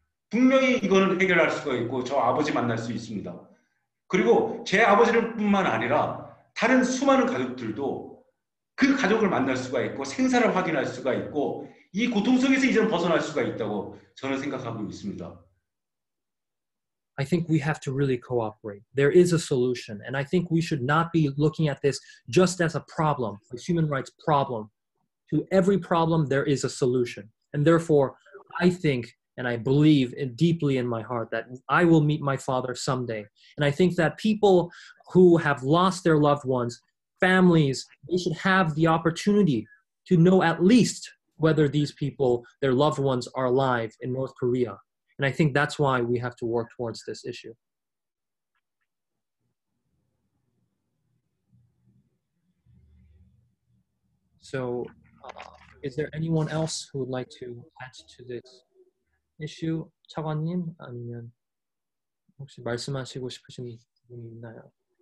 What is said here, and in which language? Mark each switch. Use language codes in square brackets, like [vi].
[ko] 분명히 이거는 해결할 수가 있고 저 아버지 만날 수 있습니다. 그리고 제 아버지뿐만 아니라 다른 수많은 가족들도 그 가족을 만날 수가 있고 생사를 확인할 수가 있고 이 고통 속에서 이제는 벗어날 수가 있다고 저는 생각하고 있습니다. [en] I think we have to really cooperate. There is a solution, and I think we should not be looking at this just as a problem, a human rights problem. To every problem, there is a solution. And therefore, I think and I believe in, deeply in my heart that I will meet my father someday. And I think that people who have lost their loved ones, families, they should have the opportunity to know at least whether these people, their loved ones, are alive in North Korea. And I think that's why we have to work towards this issue. [ko] 그래서 [en] there anyone else who would like to add to this issue? [ko] 차관님 아니면 혹시 말씀하시고 싶으신 분이 있나요?